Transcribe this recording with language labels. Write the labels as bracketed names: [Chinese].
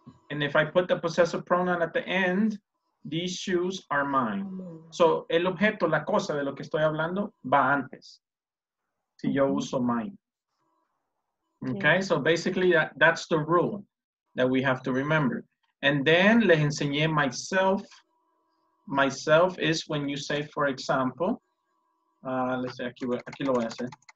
[English] And if I put the possessive pronoun at the end, these shoes are mine. [Spanish] So, el objeto, la cosa de lo que estoy hablando, va antes. Si yo uso mine. [English] Okay, yeah. So basically that's the rule that we have to remember. And then, [Spanish] les enseñé [English] myself. Myself is when you say, for example, let's say, [Spanish] aquí lo voy a hacer.